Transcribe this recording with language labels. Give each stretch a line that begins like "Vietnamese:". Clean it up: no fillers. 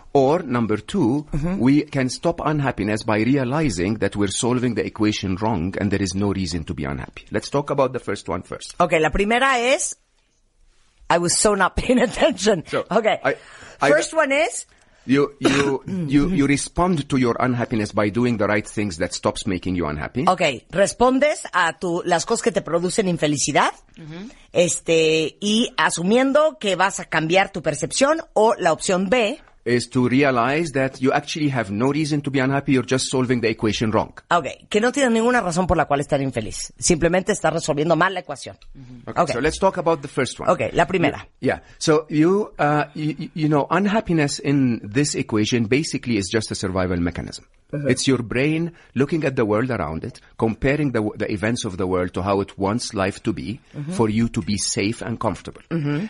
English: Or, number two, we can stop unhappiness by realizing that we're solving the equation wrong and there is no reason to be unhappy. Let's talk about the first one first. Okay,
Spanish: la primera es...
English: I was so not paying attention. First one is... You respond to your unhappiness by doing the right things that stops making you unhappy.
Spanish: Okay, respondes a las cosas que te producen infelicidad, y asumiendo que vas a cambiar tu percepción, o la opción B,
English: is to realize that you actually have no reason to be unhappy, you're just solving the equation wrong.
Spanish: Okay, que no tiene ninguna razón por la cual estar infeliz. Simplemente está resolviendo mal la ecuación. Mm-hmm.
English: Okay, so let's talk about the first one.
Spanish: Okay, la primera.
English: Yeah, so you know, unhappiness in this equation basically is just a survival mechanism. Uh-huh. It's your brain looking at the world around it, comparing the events of the world to how it wants life to be, uh-huh, for you to be safe and comfortable. Uh-huh.